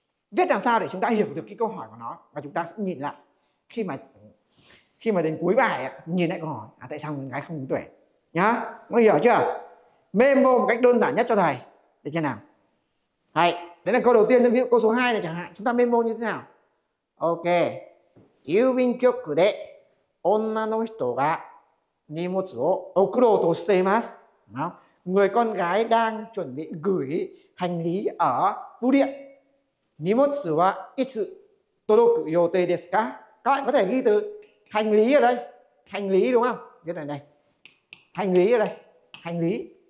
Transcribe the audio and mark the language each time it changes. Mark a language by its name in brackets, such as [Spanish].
[Vietnamese] Viết làm sao để chúng ta hiểu được cái câu hỏi của nó, và chúng ta sẽ nhìn lại khi mà đến cuối bài ấy, nhìn lại câu hỏi à, tại sao người gái không ứng tuyển nhá. Mọi hiểu chưa? Memo một cách đơn giản nhất cho thầy để cho nào. Hay đấy là câu đầu tiên. Ví dụ câu số 2 này chẳng hạn, chúng ta memo như thế nào? Ok. [Japanese] 郵便局で女の人が荷物を送ろうとしています。 [Vietnamese] Người con gái đang chuẩn bị gửi hành lý ở bưu điện. [Japanese] 荷物はいつ届く予定ですか? [Vietnamese] Các bạn có thể ghi từ Hành lý ở đây, hành lý đúng không? Viết này này, hành lý ở đây, hành lý.